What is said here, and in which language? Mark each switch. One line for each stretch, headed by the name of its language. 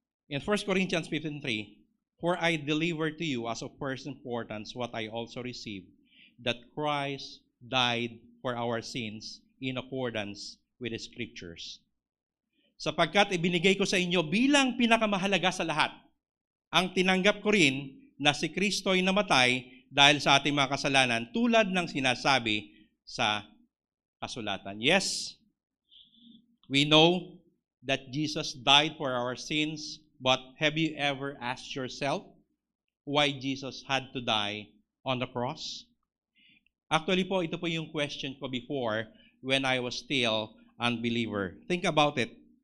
English: In 1 Corinthians 15:3, for I deliver to you as of first importance what I also received, that Christ died for our sins in accordance with the Scriptures.
Filipino: Sapagkat ibinigay ko sa inyo bilang pinakamahalaga sa lahat, ang tinanggap ko rin na si Kristo ay namatay dahil sa ating mga kasalanan tulad ng sinasabi sa kasulatan.
English: Yes, we know that Jesus died for our sins, but have you ever asked yourself why Jesus had to die on the cross? Actually po,
Filipino: ito po yung
English: question ko before when I was still an unbeliever. Think about it.